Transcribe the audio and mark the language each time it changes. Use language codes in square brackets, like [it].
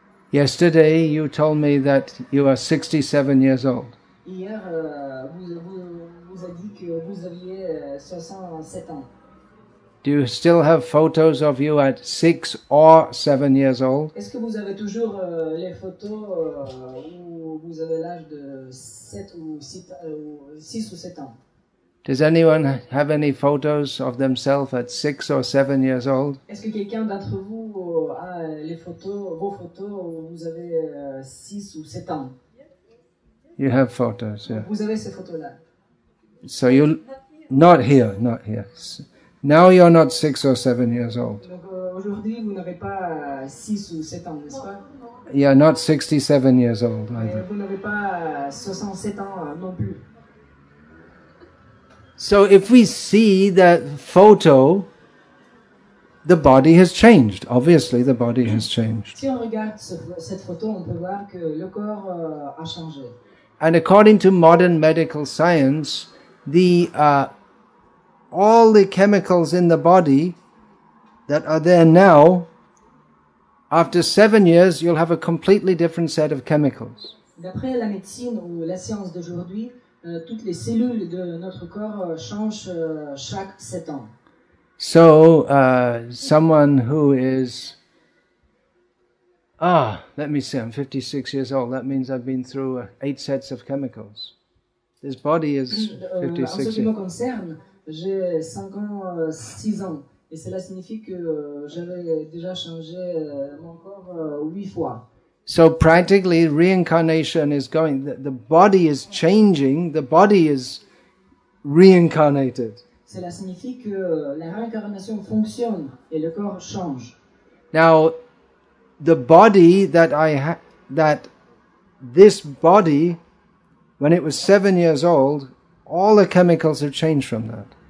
[en] Yesterday you told me that you are 67 years old. [fr] Hier vous avez dit que vous aviez 67 ans. [en] Do you still have photos of you at 6 or 7 years old? [fr] Est-ce que vous avez toujours les photos où vous avez l'âge de 6 ou 7 ans? [en] Does anyone have any photos of themselves at 6 or 7 years old? [fr] Est-ce que quelqu'un d'entre vous a les photos, vos photos où vous avez 6 ou 7 ans? [en] You have photos, yeah. [fr] Vous avez ces photos-là. [en] So you... Not here. Now you're not 6 or 7 years old. [fr] Aujourd'hui, vous n'avez pas 6 ou 7 ans, n'est-ce pas? [en] Yeah, not 67 years old either. [fr] Vous n'avez pas 67 ans non plus. [en] So if we see that photo, the body has changed. Obviously, the body has changed. [fr] Si on regarde cette photo, on peut voir que le corps a changé. [en] And according to modern medical science, all the chemicals in the body that are there now, after 7 years, you'll have a completely different set of chemicals. [fr] D'après la médecine ou la science d'aujourd'hui, toutes les cellules de notre corps changent chaque 7 ans. [en] So, someone who is... let me see, I'm 56 years old. That means I've been through 8 sets of chemicals. This body is 56 years old. [fr] J'ai 5 ans, 6 ans, et cela signifie que j'avais déjà changé mon corps 8 fois. [en] So practically, reincarnation is going, the body is changing, the body is reincarnated. [fr] Cela signifie que la réincarnation fonctionne et le corps change. [en] Now, the body that I have, that this body, when it was 7 years old, all the chemicals have changed from that.